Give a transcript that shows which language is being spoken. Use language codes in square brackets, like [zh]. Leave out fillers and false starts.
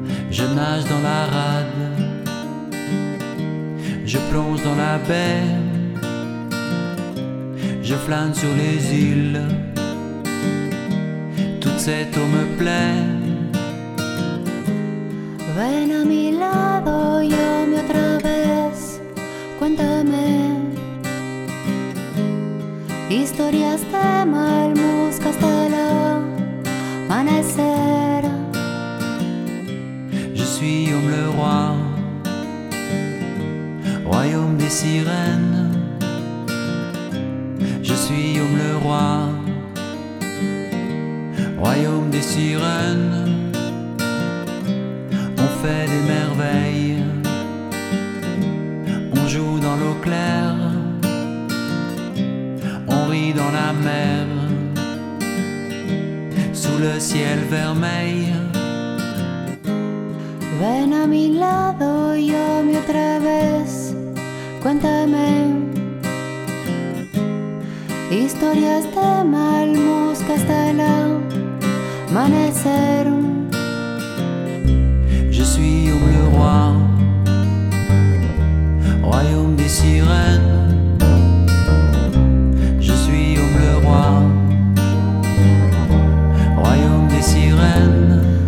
[fr] Je nage dans la rade, je plonge dans la baie, je flâne sur les îles, toute cette eau me plaît. [es] ven a mi lado y óyeme otra vez, cuéntame historias de Malmuzca hasta el amanecer. [fr] Je suis Yom le roi, royaume des sirènes. Je suis Yom le roi, royaume des sirènes. On fait des merveilles, on joue dans l'eau claire, on rit dans la mer, sous le ciel vermeil. [es] Ven a mi lado y óyeme otra vez, cuéntame historias de Malmuzca hasta el amanecer. [fr] Je suis Yom le roi, royaume des sirènes. Je suis Yom le roi, royaume des sirènes.